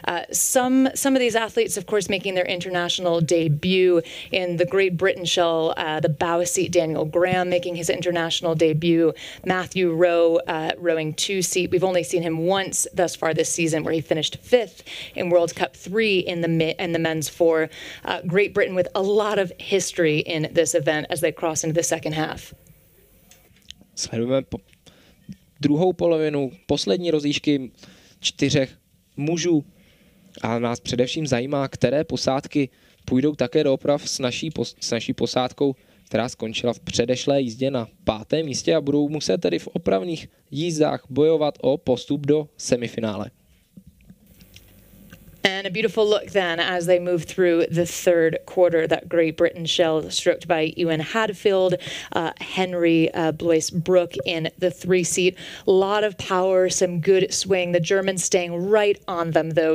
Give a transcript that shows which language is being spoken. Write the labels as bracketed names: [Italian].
[English] Some of these athletes, of course, making their international debut in the Great Britain shell, the bow seat, Daniel Graham making his international debut, Matthew Rowe rowing two seat. We've only seen him once thus far this season where he finished fifth in World Cup 3 in the men's four. Great Britain with a lot of history in this event as they cross into the second half. [Czech] Sledujeme druhou polovinu poslední rozjížďky čtyřech mužů a nás především zajímá, které posádky půjdou také do oprav s naší posádkou, která skončila v předešlé jízdě na pátém místě a budou muset tedy v opravných jízdách bojovat o postup do semifinále. [English] And a beautiful look then as they move through the third quarter. That Great Britain shell struck by Ewan Hadfield, Henry Blois Brook in the three seat. A lot of power, some good swing. The Germans staying right on them, though.